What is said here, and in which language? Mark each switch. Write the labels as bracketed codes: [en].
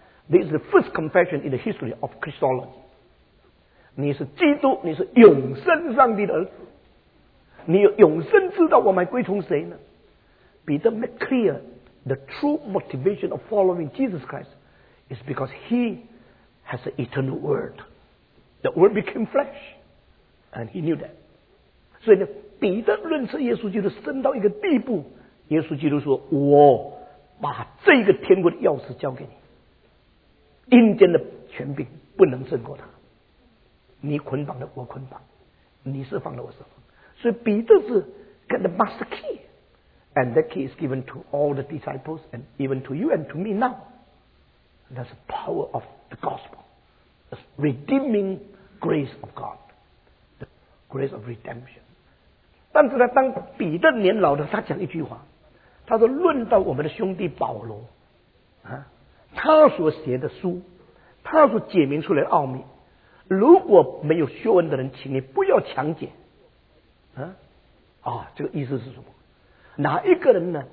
[en] This is the first confession in the history of Christology. [zh] 你是基督，你是永生上帝的儿子，你永生知道我们归从谁呢？ [en] 彼得 make clear the true motivation of following Jesus Christ is because he has the eternal word. The word became flesh. And he knew that. [zh] 所以呢，彼得认识耶稣基督深到一个地步，耶稣基督说，我把这个天国的钥匙交给你，阴间的权柄不能胜过他，你捆绑的我捆绑，你释放的我释放。所以彼得是 [en] get the master key, and that key is given to all the disciples and even to you and to me now. That's the power of the gospel, the redeeming grace of God, the grace of redemption. [zh] 但是呢，当彼得年老的，他讲一句话，他说：“论到我们的兄弟保罗，啊，他所写的书，他所解明出来的奥秘，如果没有学问的人，请你不要强解。” 这个意思是什么？哪一个人呢？